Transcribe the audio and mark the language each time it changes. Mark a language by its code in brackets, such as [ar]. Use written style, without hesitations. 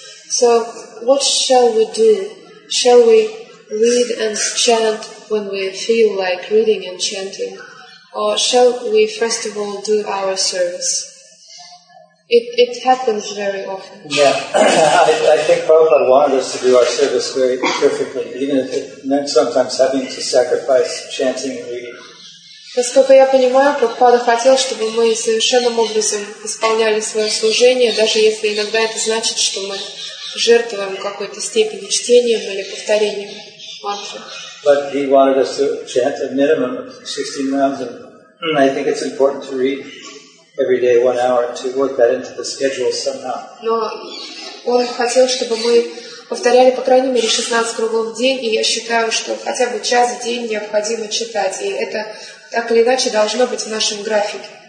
[en] So, what shall we do? Shall we read and chant when we feel like reading and chanting? Or shall we first of all do our service? It happens very often. Yeah, I think Prabhupada wanted us to do our service very perfectly, even if it meant sometimes having to sacrifice chanting and reading. [ru] Насколько я понимаю, Прабхупада хотел, чтобы мы совершенным образом исполняли свое служение, даже если иногда это значит, что мы жертвуем какой-то степени чтением или повторением мантры. [en] But he wanted us to chant a minimum of 16 rounds, and I think it's important to read every day 1 hour to work that into the schedule somehow. [ru] Но он хотел, чтобы мы повторяли по крайней мере 16 кругов в день, и я считаю, что хотя бы час в день необходимо читать, и это так или иначе должно быть в нашем графике.